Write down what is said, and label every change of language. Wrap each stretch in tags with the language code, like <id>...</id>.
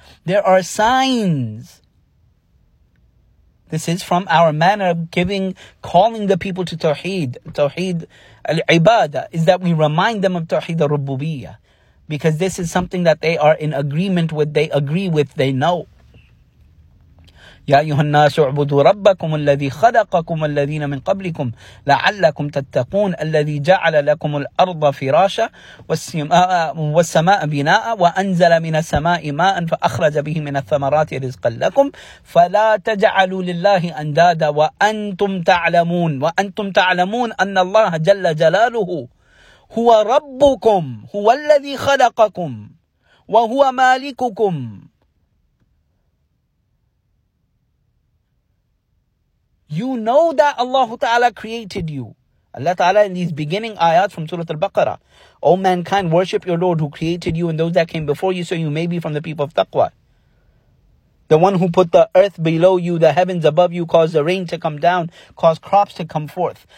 <en>There are signs. This is from our manner of giving, calling the people to tawheed. Tawheed al-ibadah is that we remind them of tawheed al-rububiyyah. Because this is something that they are in agreement with, they agree with, they know.</en> <ar>يا أيها الناس اعبدوا ربكم الذي خلقكم والذين من قبلكم لعلكم تتقون الذي جعل لكم الأرض فراشا والسماء بناء وأنزل من السماء ماء فأخرج به من الثمرات رزقا لكم فلا تجعلوا لله أندادا وأنتم تعلمون. وأنتم تعلمون أن الله جل جلاله هو ربكم هو الذي خلقكم وهو مالككم</ar> <en>You know that Allah Ta'ala created you. Allah Ta'ala in these beginning ayat from Surah Al-Baqarah. O mankind, worship your Lord who created you and those that came before you so you may be from the people of taqwa. The one who put the earth below you, the heavens above you, caused the rain to come down, caused crops to come forth.</en>